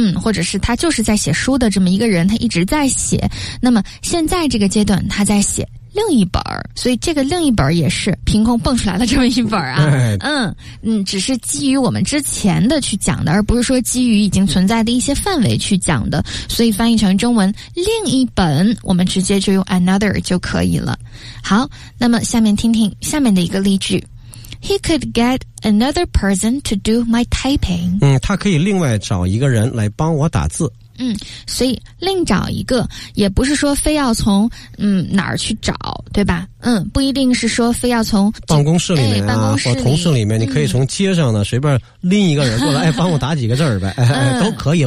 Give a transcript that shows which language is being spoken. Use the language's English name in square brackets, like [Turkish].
[Chinese] 或者是他就是在写书的这么一个人，他一直在写，那么现在这个阶段他在写另一本，所以这个另一本也是凭空蹦出来的这么一本啊。只是基于我们之前的去讲的，而不是说基于已经存在的一些范围去讲的，所以翻译成中文另一本我们直接就用 another 就可以了。好，那么下面听听下面的一个例句。 [English] He could get another person to do my typing。 [Chinese] 他可以另外找一个人来帮我打字。所以另找一个也不是说非要从哪儿去找，对吧？不一定是说非要从办公室里面啊，或同事里面，你可以从街上呢随便拎一个人过来帮我打几个字儿呗，都可以。